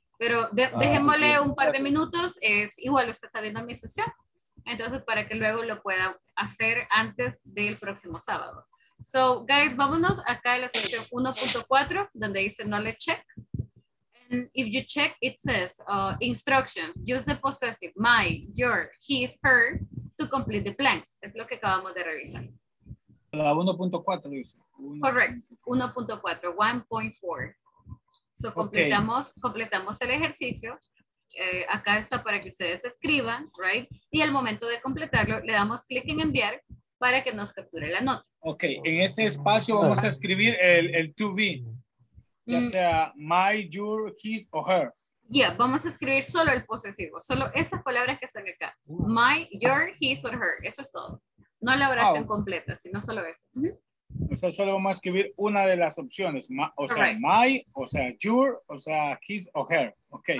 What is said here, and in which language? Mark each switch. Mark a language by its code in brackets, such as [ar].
[es] Pero dejémosle un par de minutos, es igual, lo está saliendo mi sesión. Entonces, para que luego lo pueda hacer antes del próximo sábado. [en] So, guys, [es] vámonos acá a la sesión 1.4, donde dice knowledge check. [en] And if you check, it says instructions. Use the possessive, my, your, his, her, to complete the blanks. [es] Es lo que acabamos de revisar. La 1.4 dice. Correct, 1.4. So, completamos el ejercicio. Acá está para que ustedes escriban, right? Y al momento de completarlo, le damos clic en enviar para que nos capture la nota. Ok, en ese espacio vamos a escribir el to be. Ya sea my, your, his o her. Yeah, vamos a escribir solo el posesivo. Solo estas palabras que están acá. My, your, his or her. Eso es todo. No la oración completa, sino solo eso. O sea, solo vamos a escribir una de las opciones, o sea, correct. My, o sea, your, o sea, his o her. Okay.